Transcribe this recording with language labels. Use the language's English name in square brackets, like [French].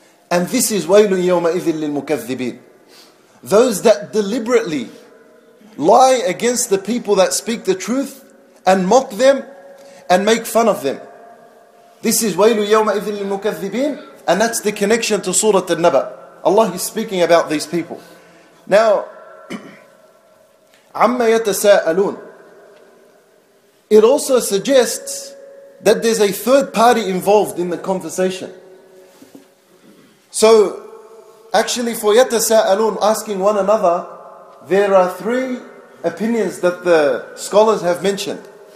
[English] And this is [Arabic] وَيْلٌ يَوْمَئِذٍ لِلْمُكَذِّبِينَ. [English] Those that deliberately lie against the people that speak the truth and mock them and make fun of them. This is [Arabic] وَيْلٌ يَوْمَئِذٍ لِلْمُكَذِّبِينَ. [English] And that's the connection to Surah An-naba. Allah is speaking about these people. [Arabic] Now, عَمَّ يَتَسَاءَلُونَ. [English] It also suggests that there's a third party involved in the conversation. So, actually for يَتَسَاءَلُونَ, asking one another, there are three opinions that the scholars have mentioned.